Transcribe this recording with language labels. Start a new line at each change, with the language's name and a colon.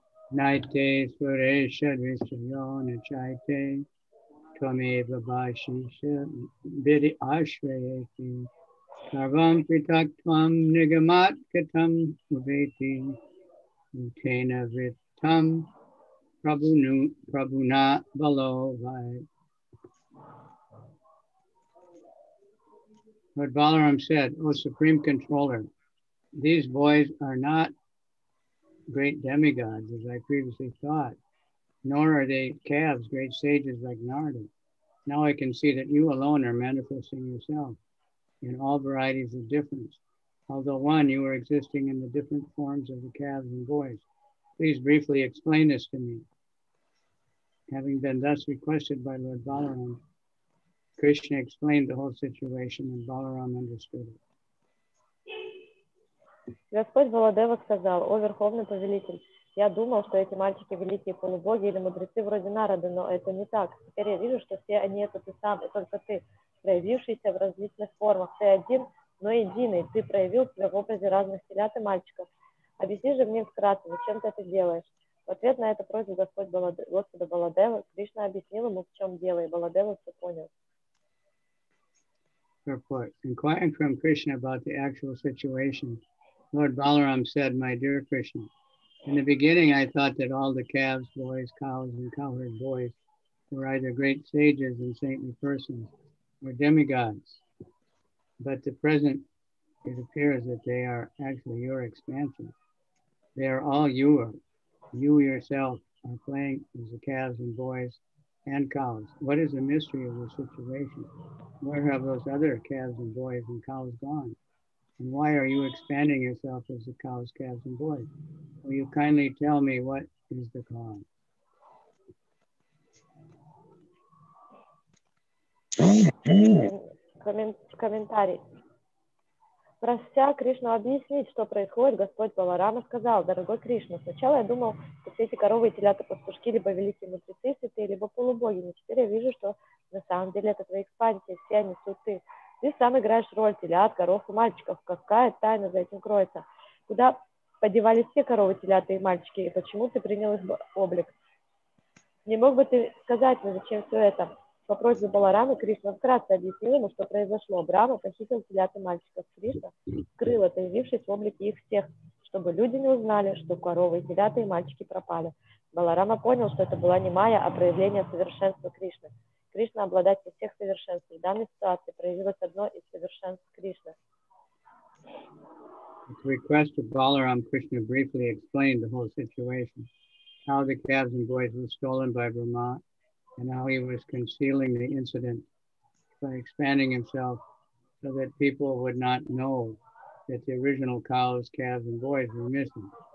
Sanskrit: Найте Суреша Дришьяна Чайте Твамева Башиша Бири Ашвейти Сарвам Притак Твам Нигамат Катам Увейти Утена Виттам Прабуна Баловай.
English: But Balaram said, O Supreme Controller, these boys are not great demigods, as I previously thought, nor are they calves, great sages like Narada. Now I can see that you alone are manifesting yourself in all varieties of difference. Although one, you are existing in the different forms of the calves and boys. Please briefly explain this to me. Having been thus requested by Lord Balaram, Кришна explained the whole situation, and Balaram understood it.
Russian: Господь Баладева сказал, о Верховный Повелитель, я думал, что эти мальчики великие полубоги или мудрецы вроде Нарады, но это не так. Теперь я вижу, что все они это ты сам, и только ты, проявившийся в различных формах. Ты один, но единый. Ты проявил себя в образе разных телят и мальчиков. Объясни же мне вкратце, зачем ты это делаешь? В ответ на эту просьбу Господь Господа Баладева, Кришна объяснил ему, в чем дело, и Баладева все понял.
English: Report. Inquiring from Krishna about the actual situation, Lord Balaram said, My dear Krishna, in the beginning I thought that all the calves, boys, cows, and cowherd boys were either great sages and saintly persons or demigods. But the present, it appears that they are actually your expansion. They are all you. You yourself are playing as the calves and boys and cows. What is the mystery of the situation? Where have those other calves and boys and cows gone? And why are you expanding yourself as the cows, calves, and boys? Will you kindly tell me what is the cause?
Russian: Комментарий. Прося Кришну объяснить, что происходит, Господь Баларама сказал, дорогой Кришна, сначала я думал, что все эти коровы и телята пастушки, либо великие мудрецы, святые, либо полубоги, но теперь я вижу, что на самом деле это твои экспансии, все они суты. Ты сам играешь роль телят, коров и мальчиков. Какая тайна за этим кроется? Куда подевались все коровы, теляты и мальчики, и почему ты принял их облик? Не мог бы ты сказать мне, зачем все это? По просьбе Баларамы Кришна вкратце объяснил ему, что произошло. Брахма похитил телят и мальчиков. Кришна скрыл это, явившись в облике их всех, чтобы люди не узнали, что коровы и телята и мальчики пропали. Баларама понял, что это была не майя, а проявление совершенства Кришны. Кришна обладатель всех совершенств. В данной ситуации проявилось одно из совершенств Кришны.
English: At request of Balaram, Krishna briefly explained the whole situation, how the calves and boys were stolen by Brahma, and how he was concealing the incident by expanding himself so that people would not know that the original cows, calves, and boys were missing.